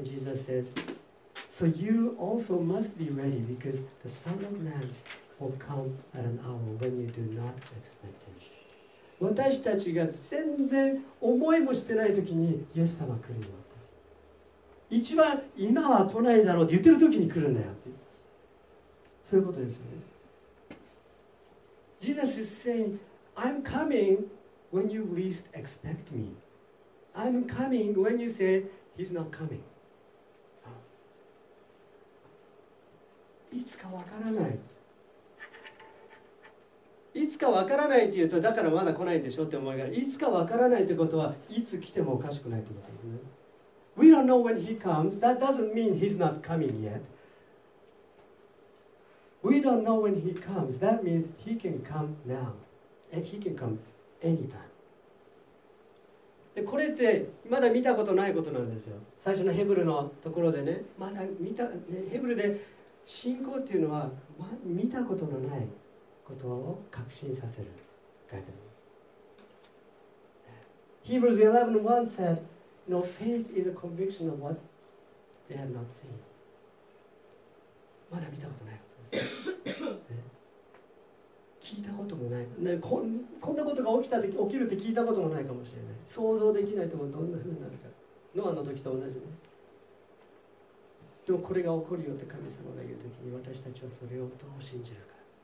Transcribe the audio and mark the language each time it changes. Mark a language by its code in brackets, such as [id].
[en] And Jesus said, So you also must be ready because the Son of Man will come at an hour when you do not expect him. [ja] 私たちが全然思いもしてない時にイエス様来るよ。一番今は来ないだろうって言ってる時に来るんだよっていう。そういうことですよね。 [en] Jesus is saying, I'm coming when you least expect me. I'm coming when you say, He's not coming. [ja] いつかわからない。いつかわからないって言うと、だからまだ来ないんでしょって思いがある。いつかわからないってことは、いつ来てもおかしくないってことですね。 [en] We don't know when He comes. That doesn't mean He's not coming yet. We don't know when he comes. That means he can come now. And he can come anytime. [ja] で、これってまだ見たことないことなんですよ。最初のヘブルのところでね、まだ見た、ね、ヘブルで信仰っていうのは、ま、見たことのないことを確信させる。書いてあります。 [en] Hebrews 11:1 said, No faith is a conviction of what they have not seen. [ja] まだ見たことない。ね、聞いたこともない、ね、こんなことが起きるって聞いたこともないかもしれない。想像できないと思う。どんな風になるか、ノアの時と同じね。でもこれが起こるよって神様が言う時に、私たちはそれをどう信じるか。